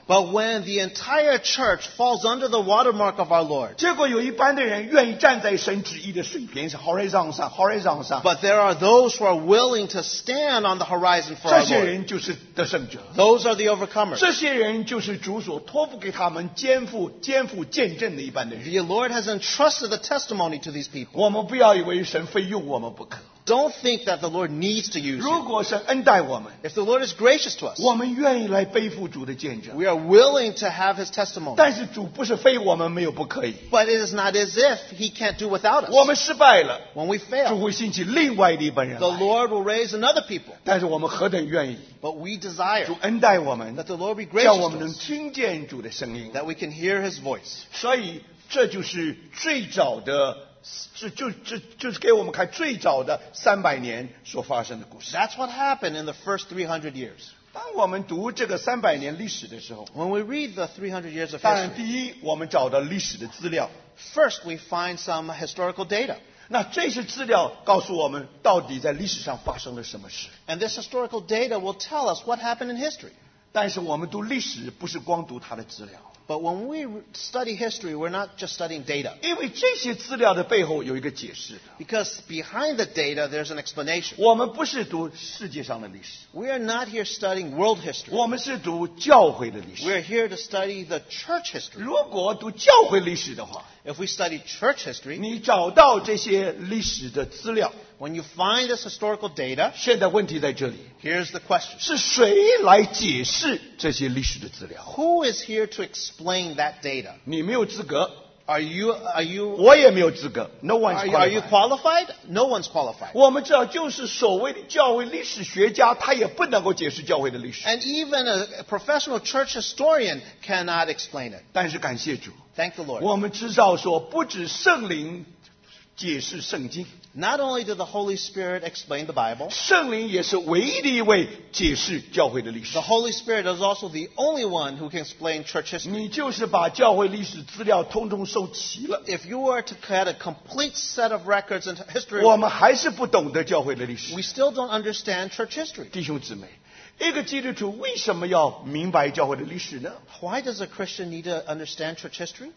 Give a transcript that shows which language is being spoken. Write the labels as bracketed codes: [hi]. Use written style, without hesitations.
[en] but when the entire church falls under the watermark of our Lord, [zh] 结果有一般的人愿意站在神旨意的水平上, horizon上, [en] but there are those who are willing to stand on the horizon for our Lord. [zh] 这些人就是得胜者, [en] those are the overcomers. [zh] 这些人就是主所托付给他们肩负见证的一般的人。 [en] The Lord has entrusted the testimony to these people. [zh] 我们不要以为神非用我们, [en] don't think that the Lord needs to use [zh] 如果神恩待我们, [en] if the Lord is gracious to us, [zh] 我们愿意来背负主的见证, [en] we are willing to have his testimony. [zh] 但是主不是非我们没有不可以, [en] but it is not as if he can't do without us. [zh] 我们失败了, [en] when we fail, [zh] 主会兴起另外一帮人来, [en] the Lord will raise another people. [zh] 但是我们何等愿意, [en] but we desire [zh] 主恩待我们, [en] that the Lord be gracious, [zh] 叫我们能听见主的声音, [en] that we can hear his voice. [zh] 所以这就是最早的, 就是给我们看最早的300年所发生的故事。 [en] That's what happened in the first 300 years. [zh] 当我们读这个300年历史的时候, [en] when we read the 300 years of history, [zh] 当然第一我们找到历史的资料, [en] first we find some historical data. [zh] 那这些资料告诉我们到底在历史上发生了什么事。 [en] And this historical data will tell us what happened in history. [zh] 但是我们读历史不是光读它的资料。 [en] But when we study history, we're not just studying data. [zh] 因为这些资料的背后有一个解释, [en] because behind the data, there's an explanation. [zh] 我们不是读世界上的历史, [en] we are not here studying world history. [zh] 我们是读教会的历史, [en] we are here to study the church history. [zh] 如果读教会历史的话, [en] if we study church history, [zh] 你找到这些历史的资料, [en] when you find this historical data, [zh] 现在问题在这里, [en] here's the question. [zh] 是谁来解释这些历史的资料? [en] Who is here to explain that data? [zh] 你没有资格, [en] are you [zh] 我也没有资格, [en] no one's qualified. Are you qualified? No one's qualified. [zh] 我们知道就是所谓的教会历史学家, 他也不能够解释教会的历史。 [en] And even a professional church historian cannot explain it. [zh] 但是感谢主, [en] thank the Lord. [zh] 我们知道说不止圣灵解释圣经, [en] not only did the Holy Spirit explain the Bible, [zh] 圣灵也是唯一的一位解释教会的历史。 [en] The Holy Spirit is also the only one who can explain church history. [zh] 你就是把教会历史资料通通收齐了。 [en] If you were to get a complete set of records in history, [zh] 我们还是不懂得教会的历史。 [en] We still don't understand church history. [zh] 弟兄姊妹, 一个基督徒为什么要明白教会的历史呢? [en] Why does a Christian need to understand church history?